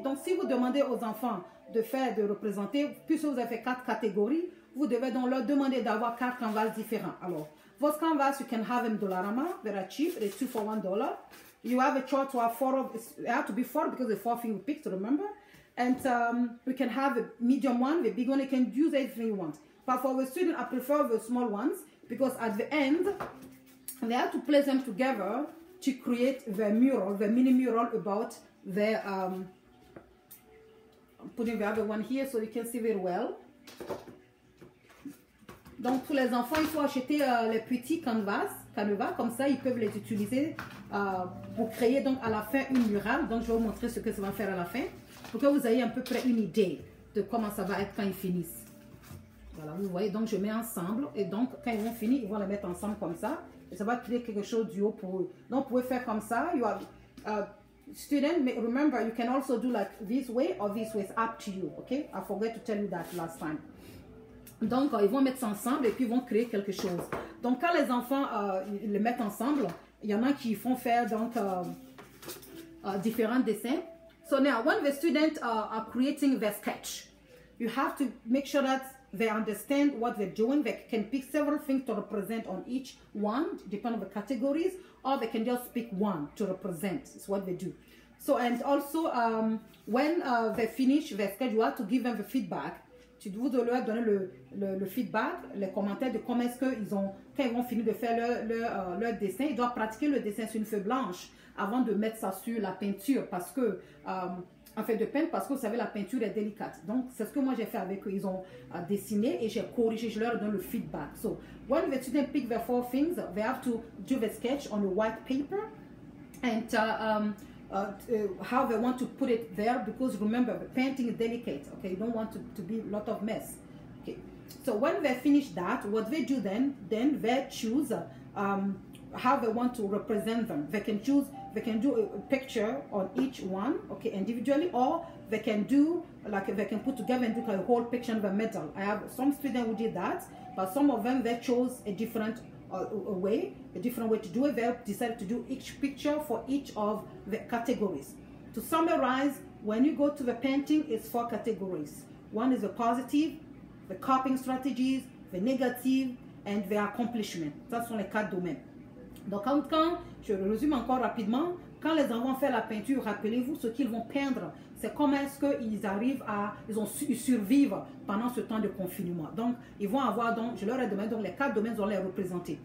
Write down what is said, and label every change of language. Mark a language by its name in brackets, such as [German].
[French] Donc si vous demandez aux enfants de représenter, puisque vous avez fait quatre catégories, vous devez donc leur demander d'avoir quatre canvas différents. Alors, vos canvas, [English] you can have them Dollarama, they're cheap, they're two for $1. You have a choice to have four of, it have to be four because the four thing we picked, remember? And we can have a medium one, the big one, you can use anything you want. But for the student, I prefer the small ones because at the end, they have to place them together to create the mural, the mini mural about the, I'm putting the other one here so you can see very well. [French] Donc pour les enfants, il faut acheter les petits canevas, comme ça ils peuvent les utiliser pour créer donc à la fin une mural. Donc je vais vous montrer ce que ça va faire à la fin pour que vous ayez à peu près une idée de comment ça va être quand ils finissent. Voilà, vous voyez, donc je mets ensemble et donc quand ils vont finir, ils vont les mettre ensemble comme ça. ça va créer quelque chose du haut pour eux. Donc, vous pouvez faire comme ça. [English] You have student, remember, you can also do like this way or this way. It's up to you, okay? I forgot to tell you that last time. [French] Donc, ils vont mettre ça ensemble et puis ils vont créer quelque chose. Donc, quand les enfants les mettent ensemble, il y en a qui font faire donc différents dessins. [English] So now, when the students are creating their sketch, you have to make sure that they understand what they're doing. They can pick several things to represent on each one, depending on the categories, or they can just pick one to represent. It's what they do. So, and also, when they finish their sketch, you have to give them the feedback. [French] Tu dois leur donner le feedback, les commentaires de comment est-ce qu'ils ont, quand ils vont finir de faire leur dessin, ils doivent pratiquer le dessin sur une feuille blanche avant de mettre ça sur la peinture parce que, en fait de peindre parce que vous savez, la peinture est délicate. Donc, c'est ce que moi j'ai fait avec eux. Ils ont dessiné et j'ai corrigé, je leur donne le feedback. [English] So, when the students pick their four things, they have to do the sketch on a white paper and how they want to put it there, because remember, the painting is delicate, okay? You don't want to be a lot of mess, okay? So when they finish that, what they do then they choose how they want to represent them. They can choose, they can do a picture on each one, okay, individually, or they can do, like, they can put together and do a whole picture in the middle. I have some students who did that, but some of them, they chose a different way to do it. They decided to do each picture for each of the categories. To summarize, when you go to the painting, it's four categories. One is the positive, the coping strategies, the negative, and the accomplishment. [French] Ça sont les quatre domaines. Donc quand je résume encore rapidement, quand les enfants font la peinture, rappelez-vous ce qu'ils vont peindre. C'est comment est-ce que ils survivent pendant ce temps de confinement. Donc ils vont avoir, donc je leur ai demandé, donc les quatre domaines vont les représenter.